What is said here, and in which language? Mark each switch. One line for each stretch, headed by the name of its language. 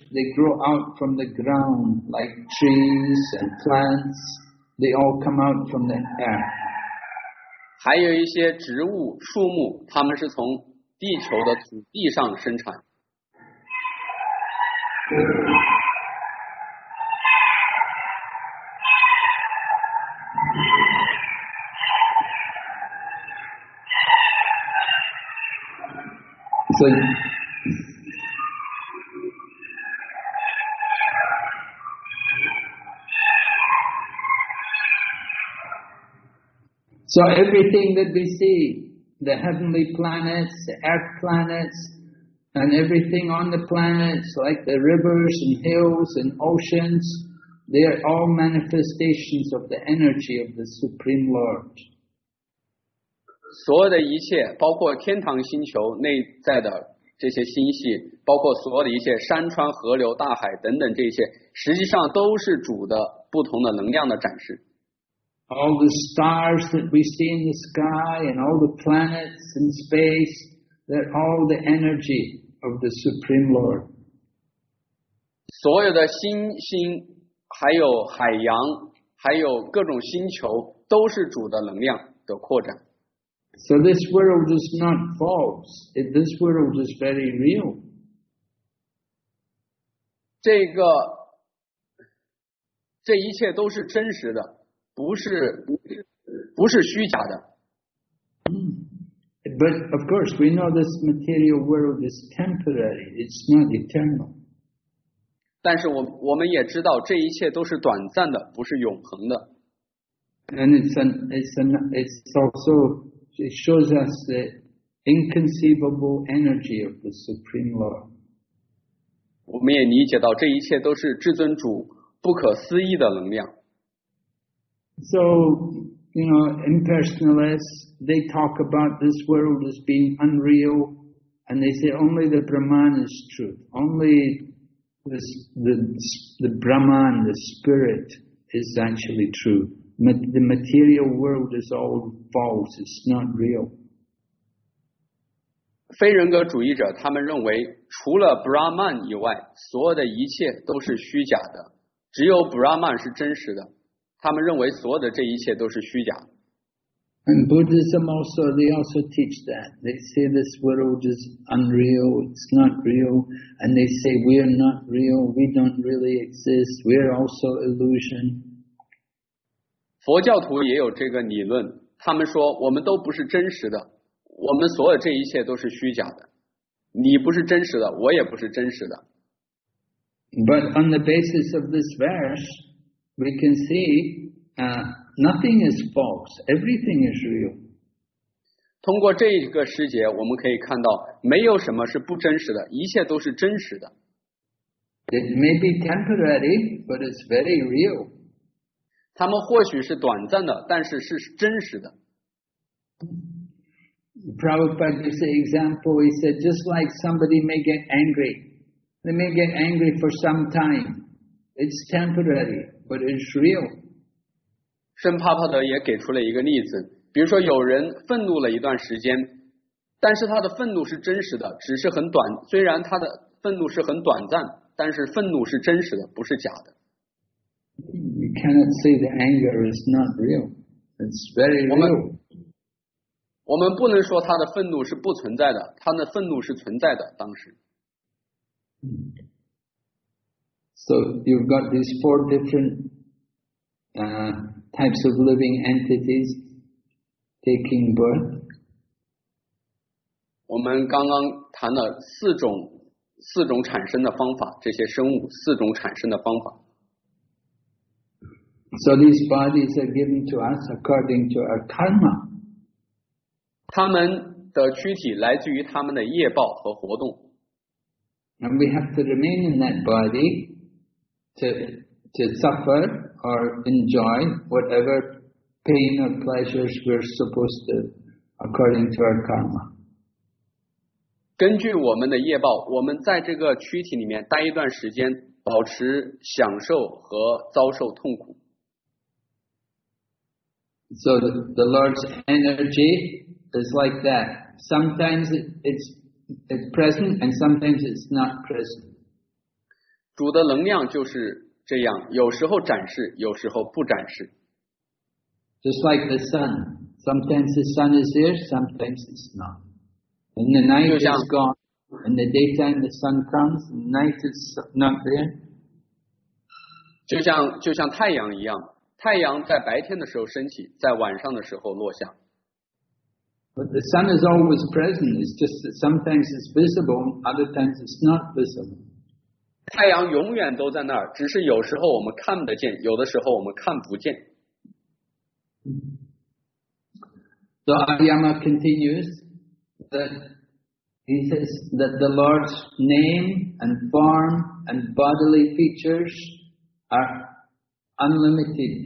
English: They grow out from the ground, like trees and plants. They all come out from the air.
Chinese: 还有一些植物、树木，它们是从地球的土地上生产。
English: So, so everything that we see, the heavenly planets, the earth planets,And everything on the planets, like the rivers and hills and oceans, they are all manifestations of the energy of the Supreme Lord.
Chinese: 所有的一切，包括天堂星球内在的这些星系，包括所有的一切山川、河流、大海等等这些，实际上都是主的不同的能量的展示。
English: All the stars that we see in the sky and all the planets in space. That all the energy of the Supreme Lord.
Chinese: 所有的星星，还有海洋，还有各种星球，都是主的能量。的扩展。
English: So this world is not false. This world is very real.
Chinese: 这一切都是真实的，不是虚假的。
English: But of course, we know this material world is temporary. It's not eternal.
Chinese: 但是我们也知道这一切都是短暂的，不是永恒的。
English: And it's also it shows us the inconceivable energy of the Supreme Lord.
Chinese: 我们也理解到这一切都是至尊主不可思议的能量。
English: So. You know, impersonalists, they talk about this world as being unreal, and they say only the Brahman is truth. Only the Brahman, the spirit, is actually true. The material world is all false. It's not real.
Chinese: 非人格主义者他们认为除了 Brahman 以外所有的一切都是虚假的，只有 Brahman 是真实的。他们认为所有的这一切都是虚假。
English: And Buddhism also, they also teach that. They say this world is unreal, it's not real, and they say we are not real, we don't really exist, we are also illusion.
Chinese: 佛教徒也有这个理论，他们说我们都不是真实的，我们所有这一切都是虚假的。你不是真实的，我也不是真实的。
English: But on the basis of this verse,We can see, nothing is false. Everything is real.
Chinese: 通过这个诗节，我们可以看到，没有什么是不真实的，一切都是真实的。
English: It may be temporary, but it's very real.
Chinese: 它们或许是短暂的，但是是真实的。
English: Prabhupada gives an example. He said, just like somebody may get angry, they may get angry for some time. It's temporary. But it's real.
Chinese: 圣帕帕德也给出了一个例子，比如说有人愤怒了一段时间，但是他的愤怒是真实的，只是很短。虽然他的愤怒是很短暂，但是愤怒是真实的，不是假的。
English: You cannot say the anger is not real. It's very real.
Chinese: 我们不能说他的愤怒是不存在的，他的愤怒是存在的，当时。
English: So you've got these four different types of living entities taking birth.
Chinese: 我们刚刚谈了四种产生的方法，这些生物四种产生的方法。
English: So these bodies are given to us according to our karma.
Chinese: 他们的躯体来自于他们的业报和活动。
English: And we have to remain in that body. To suffer or enjoy whatever pain or pleasures we're supposed to, according to our karma.
Chinese: 根据我们的业报，我们在这个躯体里面待一段时间，保持享受和遭受痛苦。
English: So the Lord's energy is like that. Sometimes it's present and sometimes it's not present.
Chinese: 主的能量就是这样，有时候展示，有时候不展示。
English: Just like the sun, sometimes the sun is here, sometimes it's not. And the night is gone, and the daytime the sun comes, the night is not there.
Chinese: 就像太阳一样，太阳在白天的时候升起，在晚上的时候落下。
English: But the sun is always present. It's just that sometimes it's visible, other times it's not visible.
Chinese: 太阳永远都在那儿，只是有时候我们看得见，有的时候我们看不见。
English: So Ayama continues that he says that the Lord's name and form and bodily features are unlimited.